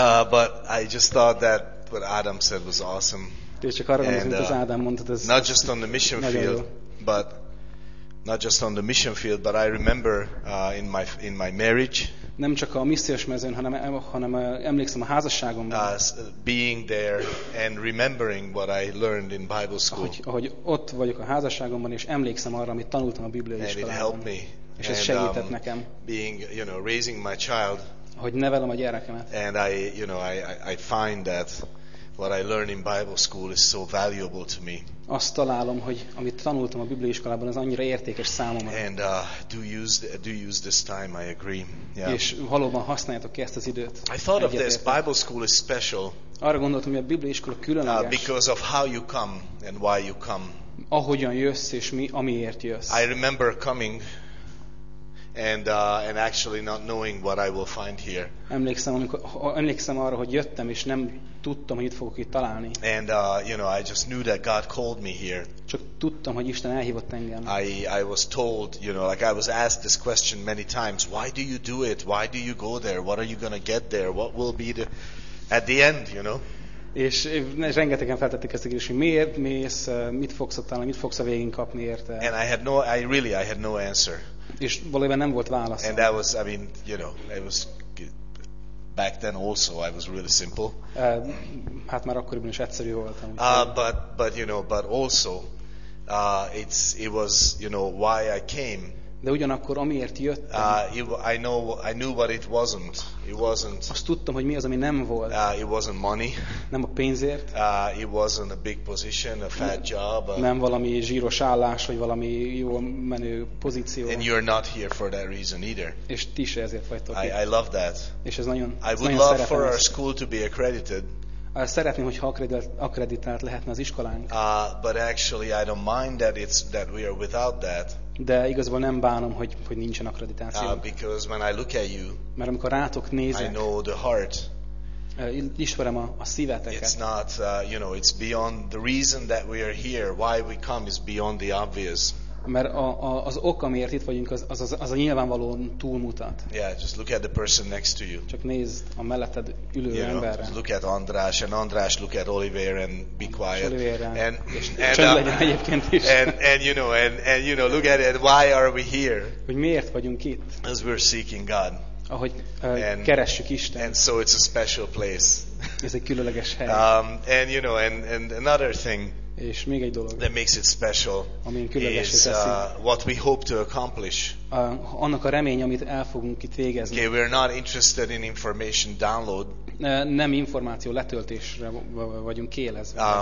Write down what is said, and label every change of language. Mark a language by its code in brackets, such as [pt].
[en] But I just thought that what Adam said was awesome. Not just on the mission field, but I remember in my marriage. [hu] Nem csak a missziós mezőn, hanem emlékszem a házasságomban. [en] Being there and remembering what I learned in Bible school. [hu] Ahogy ott vagyok a házasságomban és emlékszem arra, amit tanultam a Biblia iskolában. [en] And it helped me. [hu] És ez segített nekem. [en] Being, you know, raising my child. [hu] Hogy nevelem a gyerekemet. [en] And I, you know, I find that what I learned in Bible school is so valuable to me. [hu] Azt találom, hogy amit tanultam a Biblia iskolában, az annyira értékes számomra. [en] And do use this time, I agree. Yeah. [hu] És valóban használjátok ki ezt az időt. [en] I thought of this, Bible school is special. [hu] Arra gondoltam, hogy a Biblia iskola különleges. [en] Because of how you come and why you come. [hu] Ahogyan jössz és mi, amiért jössz. [en] I remember coming and actually not knowing what I will find here. [hu] Emlékszem arra, hogy jöttem és nem tudtam, hogy itt fogok itt találni. [en] And you know, I just knew that God called me here. [hu] Csak tudtam, hogy Isten elhívott engem. [en] I was told, you know, like I was asked this question many times, why do you do it? Why do you go there? What are you going to get there? What will be the at the end, you know? [hu] És rengetegen feltették ezt a kérdést, hogy miért mész, mit fogsz ott találni, mit fogsz a végén kapni érte? [en] And I had no answer. [hu] És valójában nem volt válasz. [en] And that was, I mean, you know, it was back then also I was really simple. [hu] Hát már akkoriban is egyszerű voltam. [en] But you know, but also it was, you know, why I came. [hu] De ugyanakkor amiért jöttem. [en] I knew what it wasn't. It wasn't. [hu] Azt tudtam, hogy mi az, ami nem volt. [en] It wasn't money. [hu] Nem a pénzért. [en] It wasn't a big position, a fat job. [hu] Nem valami zsíros állás vagy valami jó menő pozíció. [en] And you're not here for that reason either. [hu] És ti se ezért vagytok itt. [en] I love that. [hu] És ez nagyon. [en] I would love for our school to be accredited. [hu] Szeretném, hogyha akkreditált lehetne az iskolánk. [en] But actually I don't mind that it's that we are without that. [hu] De igazából nem bánom, hogy nincsen akkreditáció. [en] Because when I look at you, [hu] mert amikor rátok nézek, [en] I know the heart. [hu] Ismerem a szíveteket. [en] It's not, you know, it's beyond the reason that we are here, why we come is beyond the obvious. [hu] Mert az ok, amiért itt vagyunk, az a nyilvánvalóan túlmutat. [en] Yeah, just look at the person next to you. [hu] Csak nézd a melletted ülő [en] you [hu] emberre. [en] Know, look at András, and András, look at Oliver, and be quiet. And look at it, why are we here? [hu] Hogy miért vagyunk itt? [en] As we're seeking God. [hu] Ahogy keressük Istent. [en] And so it's a special place. [hu] Ez egy különleges hely. [en] And you know, and another thing. [hu] És még egy dolog. [en] That makes it special. Is what we hope to accomplish. [hu] Annak a remény, amit el fogunk itt végezni. [en] Okay, we are not interested in information download. [hu] Nem információ letöltésre vagyunk kiélezve.